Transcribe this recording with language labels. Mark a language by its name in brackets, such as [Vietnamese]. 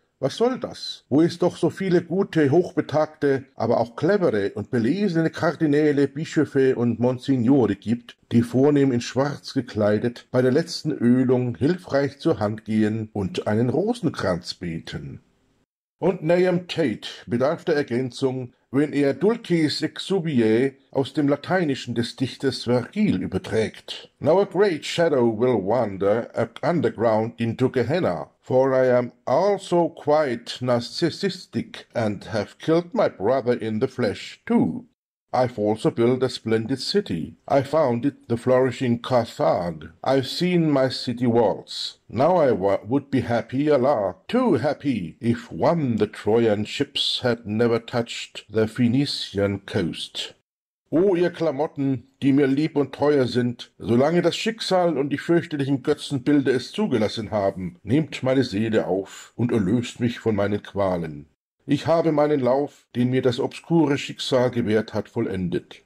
[German] Was soll das, wo es doch so viele gute, hochbetagte, aber auch clevere und belesene Kardinäle, Bischöfe und Monsignore gibt, die vornehm in Schwarz gekleidet bei der letzten Ölung hilfreich zur Hand gehen und einen Rosenkranz beten. Und Nahum Tate bedarf der Ergänzung, wenn er Dulces exuviae aus dem Lateinischen des Dichters Vergil überträgt. [English] Now a great shadow will wander underground into Gehenna, for I am also quite narcissistic and have killed my brother in the flesh too. I've also built a splendid city. I founded the flourishing Carthage. I've seen my city walls. Now I would be happy, alas, too happy, if one the Trojan ships had never touched the Phoenician coast. [German] O ihr Klamotten, die mir lieb und teuer sind, solange das Schicksal und die fürchterlichen Götzenbilder es zugelassen haben, nehmt meine Seele auf und erlöst mich von meinen Qualen. Ich habe meinen Lauf, den mir das obskure Schicksal gewährt hat, vollendet.